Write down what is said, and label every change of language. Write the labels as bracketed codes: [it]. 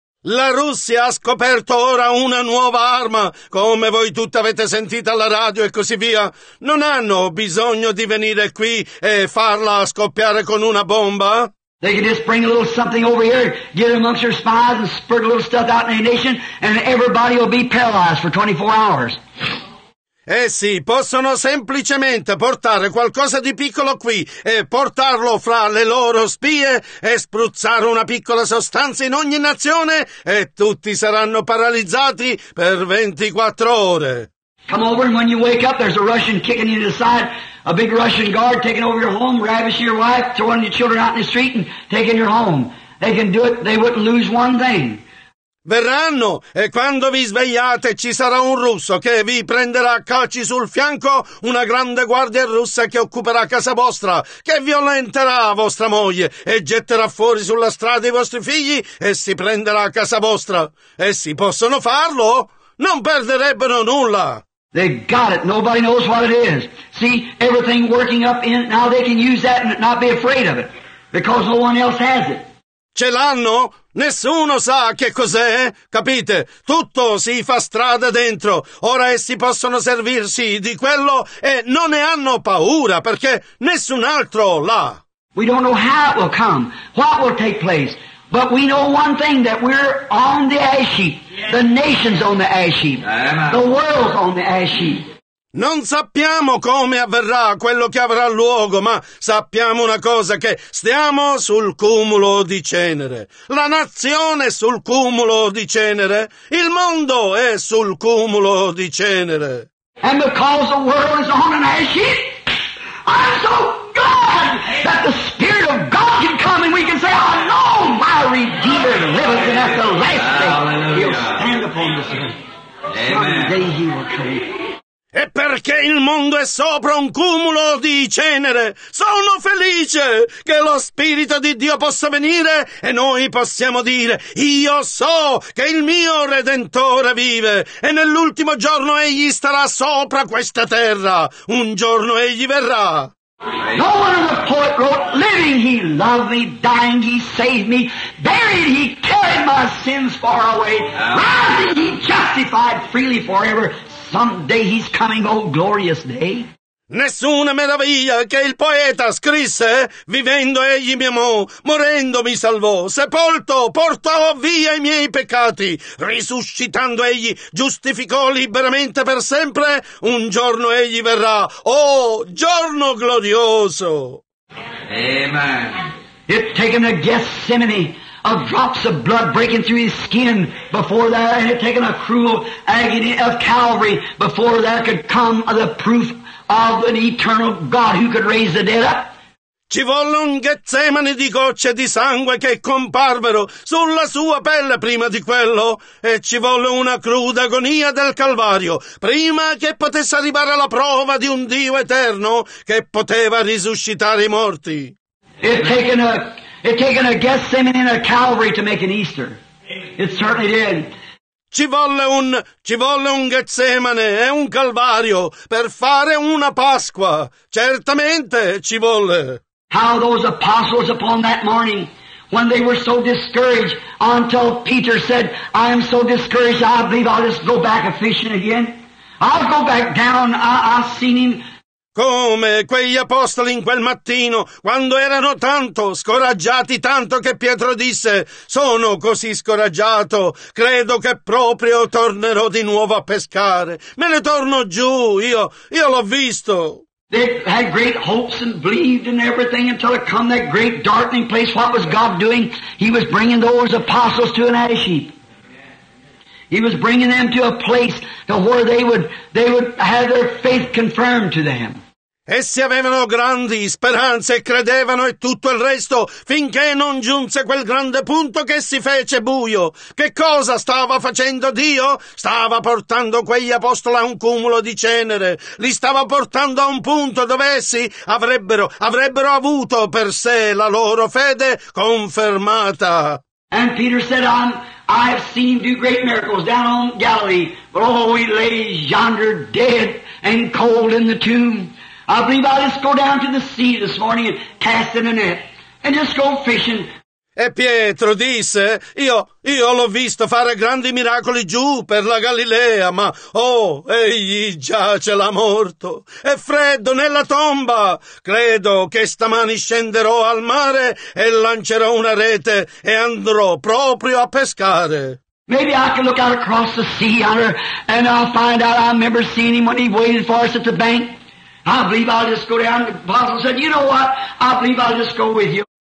[it] La Russia ha scoperto ora una nuova arma, come voi tutti avete sentito alla radio e così via. Non hanno bisogno di venire qui e farla scoppiare con una bomba? [en] They could just bring a little something over here, get amongst their spies and spread a little stuff out in a nation, and everybody will be paralyzed for 24 hours. [it] Essi possono semplicemente portare qualcosa di piccolo qui e portarlo fra le loro spie e spruzzare una piccola sostanza in ogni nazione e tutti saranno paralizzati per 24 ore. [en] Come over and when you wake up there's a Russian kicking you to the side, a big Russian guard taking over your home, ravishing your wife, throwing your children out in the street and taking your home. They can do it, they wouldn't lose one thing. [it] Verranno, e quando vi svegliate ci sarà un russo che vi prenderà a calci sul fianco, una grande guardia russa che occuperà casa vostra, che violenterà vostra moglie e getterà fuori sulla strada i vostri figli e si prenderà a casa vostra. Essi possono farlo? Non perderebbero nulla! [en] They got it. Nobody knows what it is. See, everything working up in it, now they can use that and not be afraid of it, because no one else has it. [it] Ce l'hanno? Nessuno sa che cos'è? Capite? Tutto si fa strada dentro. Ora essi possono servirsi di quello e non ne hanno paura perché nessun altro l'ha. [en] We don't know how it will come, what will take place, but we know one thing, that we're on the ash heap. The nation's on the ash heap. The world's on the ash heap. [it] Non sappiamo come avverrà quello che avrà luogo, ma sappiamo una cosa, che stiamo sul cumulo di cenere. La nazione è sul cumulo di cenere. Il mondo è sul cumulo di cenere. [en] And because the world is on an ash heap, I'm so glad that the Spirit of God can come and we can say, I know my Redeemer lives, and at the last day he'll stand upon this earth. Someday he will come. [it] E perché il mondo è sopra un cumulo di cenere? Sono felice che lo Spirito di Dio possa venire e noi possiamo dire, io so che il mio Redentore vive e nell'ultimo giorno Egli starà sopra questa terra. Un giorno Egli verrà. [en] No one in the poet wrote, living he loved me, dying he saved me, buried he carried my sins far away, rising he justified freely forever. Someday he's coming, oh glorious day. [it] Nessuna meraviglia che il poeta scrisse, vivendo egli mi amò, morendo mi salvò, sepolto portò via i miei peccati, risuscitando egli giustificò liberamente per sempre, un giorno egli verrà, oh giorno glorioso. [en] Amen. It taken a Gethsemane of drops of blood breaking through his skin before there, and it taken a cruel agony of Calvary before there could come the proof of an eternal God who could raise the dead up. [it] Ci volle un Getsemani di gocce di sangue che comparvero sulla sua pelle prima di quello, e ci volle una cruda agonia del Calvario prima che potesse arrivare alla prova di un Dio eterno che poteva risuscitare i morti. [en] It taken a Gethsemane and a Calvary to make an Easter. It certainly did. [it] Ci volle un Getsemane e un Calvario per fare una Pasqua. Certamente ci volle. [en] How those apostles upon that morning, when they were so discouraged, until Peter said, I am so discouraged, I believe I'll just go back a fishing again. I'll go back down, I've seen him. [it] Come quegli apostoli in quel mattino, quando erano tanto scoraggiati, tanto che Pietro disse, sono così scoraggiato, credo che proprio tornerò di nuovo a pescare. Me ne torno giù, io l'ho visto. [en] They had great hopes and believed in everything until it come that great darkening place. What was God doing? He was bringing those apostles to an ash heap. He was bringing them to a place to where they would have their faith confirmed to them. [it] Essi avevano grandi speranze, credevano e tutto il resto, finché non giunse quel grande punto che si fece buio. Che cosa stava facendo Dio? Stava portando quegli apostoli a un cumulo di cenere. Li stava portando a un punto dove essi avrebbero avuto per sé la loro fede confermata. [en] And Peter said, I have seen him do great miracles down on Galilee, but oh, he lays yonder dead and cold in the tomb. I believe I'll just go down to the sea this morning and cast in a net and just go fishing. [it] E Pietro disse, io l'ho visto fare grandi miracoli giù per la Galilea, ma, oh, egli giace là morto, è freddo nella tomba. Credo che stamani scenderò al mare e lancerò una rete e andrò proprio a pescare. [en] Maybe I can look out across the sea yonder and I'll find out. I remember seeing him when he waited for us at the bank. I believe I'll just go down. The apostle said, you know what? I believe I'll just go with you.